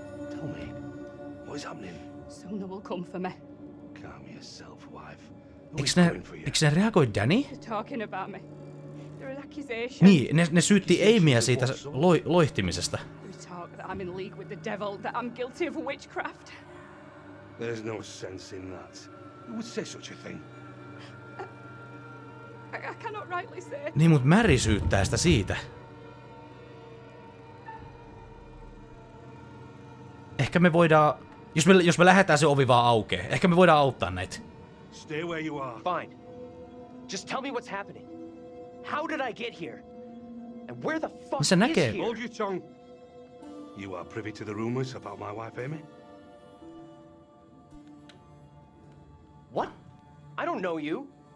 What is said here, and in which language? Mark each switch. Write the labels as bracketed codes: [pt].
[en] Tell me, what is happening? Soon they will come for me. Calm yourself, wife. [fi] Eikö ne reagoi Danny? [en] They're talking about me. There are accusations. [fi] Niin, ne syytti Amyä siitä loihtimisesta. [en] They talk that I'm in league with the devil, that I'm guilty of witchcraft. There's no sense in that. Who would say such a thing? I cannot rightly say. [fi] Niin, mut Mary syyttää sitä siitä. Ehkä me voidaan Jos me lähdetään se ovi vaan aukeen, ehkä me voidaan auttaa näitä. [en] Stay where you are. Fine. Just tell me what's happening. How did I get here? And where the fuck is here? Hold your tongue. You are privy to the rumors about my wife, Amy? What? I don't know you.